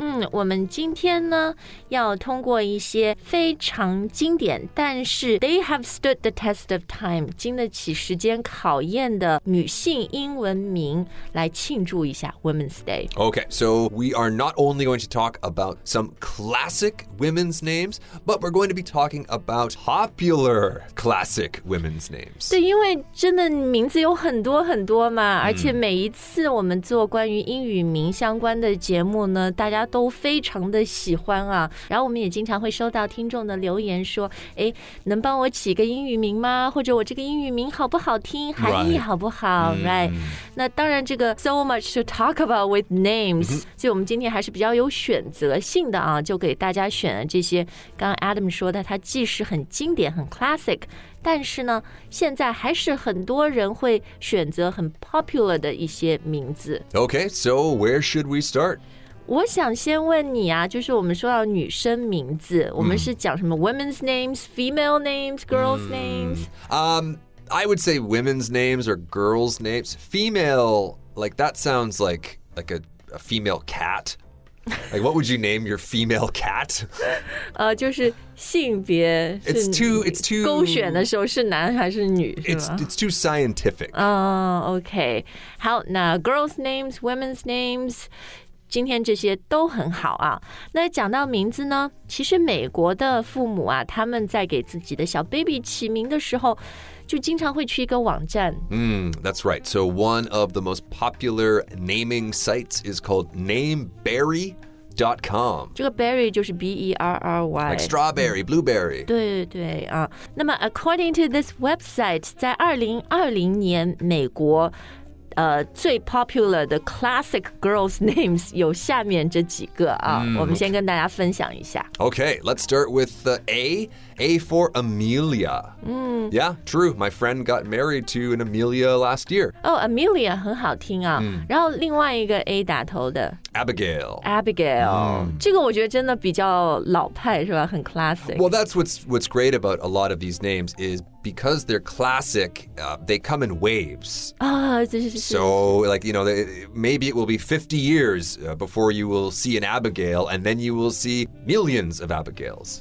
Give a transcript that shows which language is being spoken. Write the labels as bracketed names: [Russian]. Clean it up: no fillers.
[Chinese] 我们今天呢要通过一些非常经典但是 [English] they have stood the test of time [Chinese] 经得起时间考验的女性英文名来庆祝一下 Women's Day. [English] Okay, so we are not only going to talk about some classic women's names, but we're going to be talking about popular classic women's names. [Chinese] 对，因为真的名字有很多很多嘛，而且每一次我们做关于英语名相关的节目呢，大家都非常的喜欢啊，然后我们也经常会收到听众的留言说，哎，能帮我起个英语名吗？或者我这个英语名好不好听，含义好不好 ？Right？那当然，这个 [English] so much to talk about with names， [Chinese] 所以我们今天还是比较有选择性的啊，就给大家选了这些。刚刚 Adam 说的，它既是很经典，很 classic。但是呢，现在还是很多人会选择很 popular 的一些名字。 [English] Okay, so where should we start? [Chinese] 我想先问你啊，就是我们说到女生名字，我们是讲什么 [English] women's names, female names, girls names? I would say women's names or girls' names. Female, like that sounds like a female cat. Like what would you name your female cat? [Chinese] 就是性别是 [English] it's too [Chinese] 勾选的时候是男还是女是吗 [English] it's too scientific. [Chinese] Okay. 好，那 [English] girls' names, women's names, [Chinese] 今天这些都很好啊。那讲到名字呢，其实美国的父母啊，他们在给自己的小 baby 起名的时候，就经常会去一个网站。 [English] That's right. So one of the most popular naming sites is called NameBerry.com. [Chinese] 这个 berry 就是 B-E-R-R-Y. [English] Like strawberry, blueberry. [Chinese] 对对啊。那么 [English] according to this website, [Chinese] 在2020年美国最 popular 的 classic girls names 有下面这几个啊、我们先跟大家分享一下。 [English] Okay, let's start with the A for Amelia. Yeah, true. My friend got married to an Amelia last year. [Chinese] Oh, Amelia 很好听啊。然后另外一个 A 打头的 [English] Abigail. [Chinese] Abigail.、这个我觉得真的比较老派是吧？很 classic. [English] Well, that's what's great about a lot of these names is. Because they're classic,、they come in waves. So, like, you know, maybe it will be 50 years、before you will see an Abigail, and then you will see millions of Abigails.